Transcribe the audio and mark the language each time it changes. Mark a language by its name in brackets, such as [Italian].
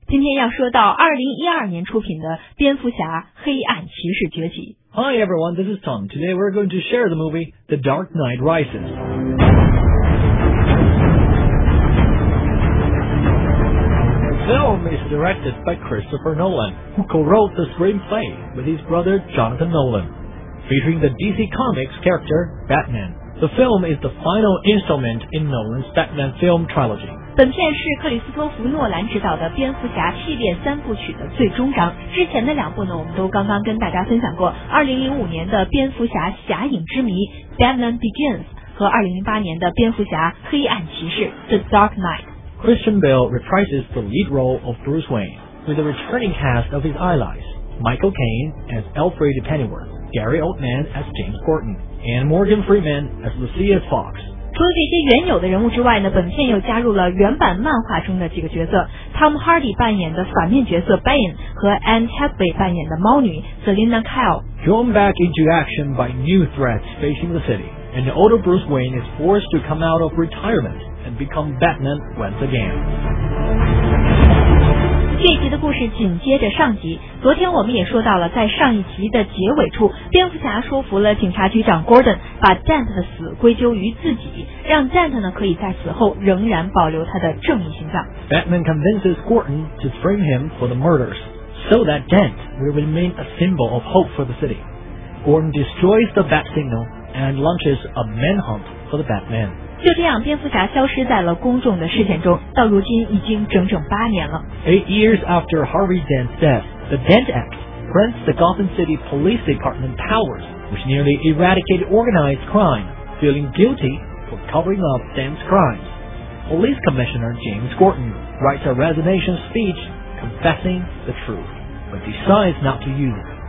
[Chinese] 今天要说到2012年出品的蝙蝠侠黑暗骑士崛起。 [English] Hi everyone, this is Tom. Today we're going to share the movie The Dark Knight Rises. The film is directed by Christopher Nolan, who co-wrote the screenplay with his brother Jonathan Nolan, featuring the DC Comics character Batman. The film is the final installment in Nolan's Batman film trilogy. [Chinese] 本片是克里斯托弗·诺兰执导的蝙蝠侠系列三部曲的最终章。之前的两部呢，我们都刚刚跟大家分享过，2005年的《蝙蝠侠：侠影之谜》（Batman Begins） 和2008年的《蝙蝠侠：黑暗骑士》（The Dark Knight）。 [English] Christian Bale reprises the lead role of Bruce Wayne with a returning cast of his allies, Michael Caine as Alfred Pennyworth, Gary Oldman as James Gordon, and Morgan Freeman as Lucia Fox. [Chinese] 除了这些原有的人物之外呢，本片又加入了原版漫画中的几个角色， Tom Hardy 扮演的反面角色 Bane 和 Anne Hathaway 扮演的猫女 Selina Kyle. [English] Drawn back into action by new threats facing the city, and the older Bruce Wayne is forced to come out of retirement. And become Batman once again. [Chinese] 这集的故事紧接着上集。昨天我们也说到了，在上一集的结尾处，蝙蝠侠说服了警察局长 Gordon 把 Dent 的死归咎于自己，让 Dent 呢可以在死后仍然保留他的正义形象。 [English] Batman convinces Gordon to frame him for the murders, so that Dent will remain a symbol of hope for the city. Gordon destroys the bat signal and launches a manhunt for the Batman. [Chinese] 就这样，蝙蝠侠消失在了公众的视线中，到如今已经整整八年了。 [English] 8 years after Harvey Dent's death, the Dent Act grants the Gotham City Police Department powers which nearly eradicated organized crime, feeling guilty for covering up Dent's crimes. Police Commissioner James Gordon writes a resignation speech confessing the truth, but decides not to use it.